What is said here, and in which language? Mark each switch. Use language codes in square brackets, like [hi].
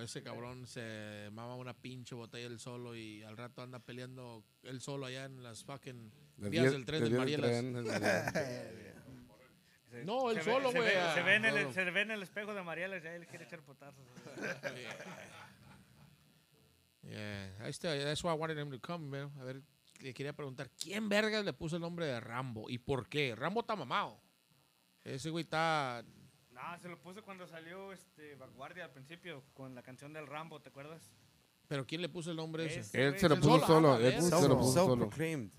[es] Ese cabrón se mama una pinche botella él solo y al rato anda peleando él solo allá en las fucking vías del tren de Marielas. No, él solo, güey. Se ve en el espejo de Marielas y él quiere echar potazos. [en] Yeah, that's why I wanted him to come, man. [es] A ver, le quería preguntar, ¿quién verga le puso el nombre de Rambo y por qué? Rambo está mamado. Ese güey está... Nah, se lo puso cuando salió Vanguardia al principio con la canción del Rambo, ¿te acuerdas? ¿Pero quién le puso el nombre ese? Él se lo puso solo. [en] Self-proclaimed.